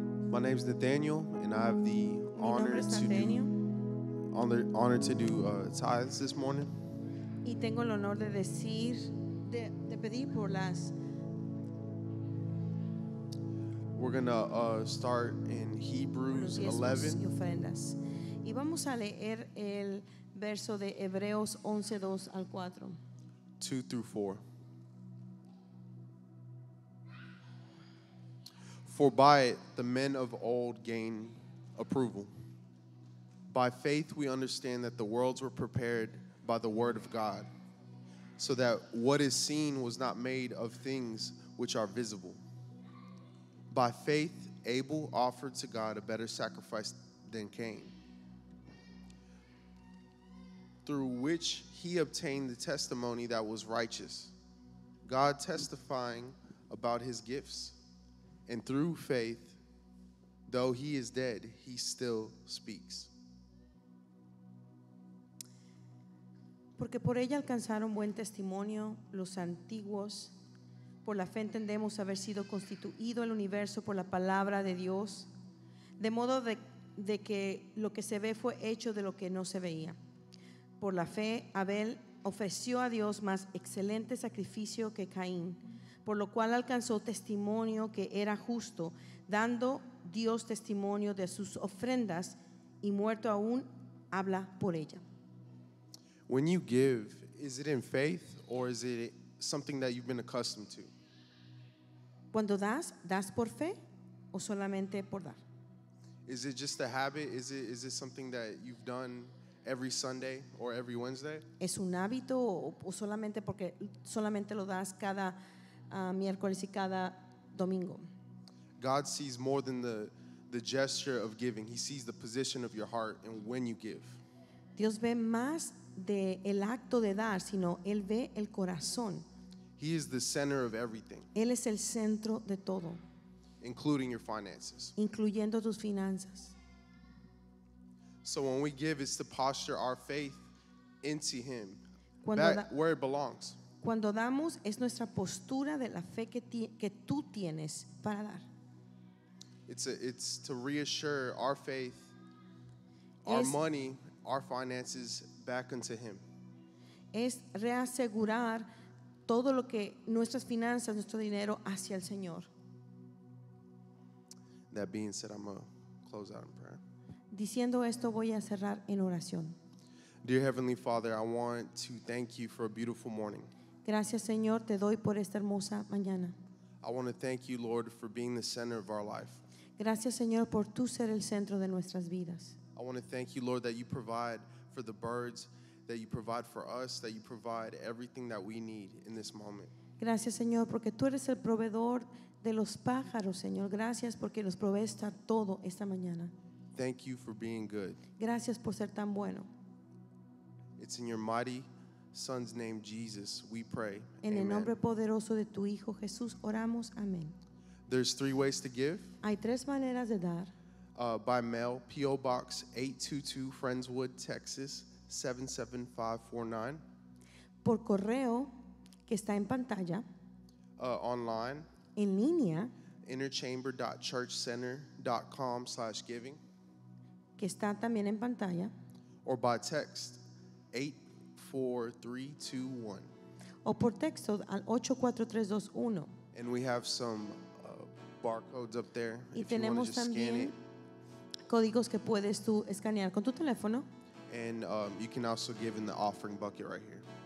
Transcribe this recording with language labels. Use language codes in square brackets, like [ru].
[en] My name is Nathaniel, and I have the honor to do tithes this morning. [es] Y tengo el honor de decir, de pedir por las. [en] We're gonna start in Hebrews 11. [es] Y ofrendas. Y vamos a leer el verso de Hebreos 11, 2 al 4. [en] 2 through 4. For by it the men of old gained approval. By faith we understand that the worlds were prepared by the word of God, so that what is seen was not made of things which are visible. By faith Abel offered to God a better sacrifice than Cain, through which he obtained the testimony that was righteous, God testifying about his gifts. And through faith, though he is dead, he still speaks. [es] Porque por ella alcanzaron buen testimonio los antiguos. Por la fe entendemos haber sido constituido el universo por la palabra de Dios, de modo de que lo que se ve fue hecho de lo que no se veía. Por la fe, Abel ofreció a Dios más excelente sacrificio que Caín, por lo cual alcanzó testimonio que era justo, dando Dios testimonio de sus ofrendas, y muerto aún habla por ella. [en] When you give, is it in faith or is it something that you've been accustomed to? [es] Cuando das, ¿das por fe o solamente por dar? [en] Is it just a habit? Is it something that you've done every Sunday or every Wednesday? [es] ¿Es un hábito o solamente porque solamente lo das cada miércoles y cada domingo? [en] God sees more than the the gesture of giving. He sees the position of your heart and when you give. [es] Dios ve más de el acto de dar, sino él ve el corazón. [en] He is the center of everything. [es] Él es el centro de todo. [en] Including your finances. [es] Incluyendo tus finanzas. [en] So when we give, it's to posture our faith into him. Where it belongs. [es] Cuando damos, es nuestra postura de la fe que tú tienes para dar. [en] It's to reassure our faith, our money, our finances back unto him. [es] Es reasegurar todo lo que nuestras finanzas, nuestro dinero hacia el Señor. [en] That being said, I'm going to close out in prayer. [es] Diciendo esto, voy a cerrar en oración. [en] Dear Heavenly Father, I want to thank you for a beautiful morning. [es] Gracias, Señor, te doy por esta hermosa mañana. [en] I want to thank you, Lord, for being the center of our life. [es] Gracias, Señor, por tú ser el centro de nuestras vidas. [en] I want to thank you, Lord, that you provide for the birds, that you provide for us, that you provide everything that we need in this moment. [es] Gracias, Señor, porque tú eres el proveedor de los pájaros, Señor. Gracias porque nos provees todo esta mañana. [en] Thank you for being good. [es] Gracias por ser tan bueno. [en] It's in your mighty Son's name, Jesus, we pray. [es] En el nombre poderoso de tu Hijo Jesús, oramos. Amén. [en] There's three ways to give. [es] Hay tres maneras de dar. [en] By mail, P.O. Box 822, Friendswood, Texas, 77549. [es] Por correo, que está en pantalla. [en] Online. [es] En línea. [en] Innerchamber.churchcenter.com/giving. [es] Que está también en pantalla. [en] Or by text, 84321. [es] O por texto al 84321. [en] And we have some barcodes up there. [es] Y tenemos también códigos que puedes tú escanear con tu teléfono. [en] And you can also give in the offering bucket right here.